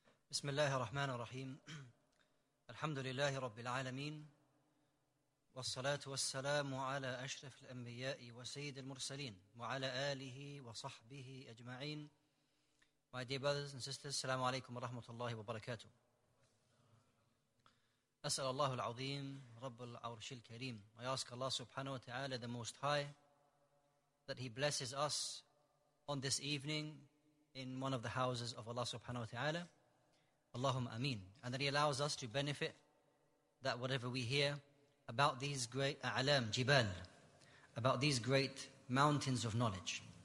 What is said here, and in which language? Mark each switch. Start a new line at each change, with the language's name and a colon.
Arabic: بسم الله الرحمن الرحيم الحمد لله رب العالمين والصلاة والسلام على أشرف الأنبياء وسيد المرسلين وعلى آله وصحبه أجمعين.
English: My dear brothers and sisters,
Arabic: السلام عليكم ورحمة الله وبركاته. أسأل الله العظيم رب العرش الكريم.
English: I ask Allah سبحانه وتعالى the Most High that He blesses us on this evening in one of the houses of Allah سبحانه وتعالى. Allahumma ameen. And that He allows us to benefit that whatever we hear about these great a'lam, jibal, about these great mountains of knowledge.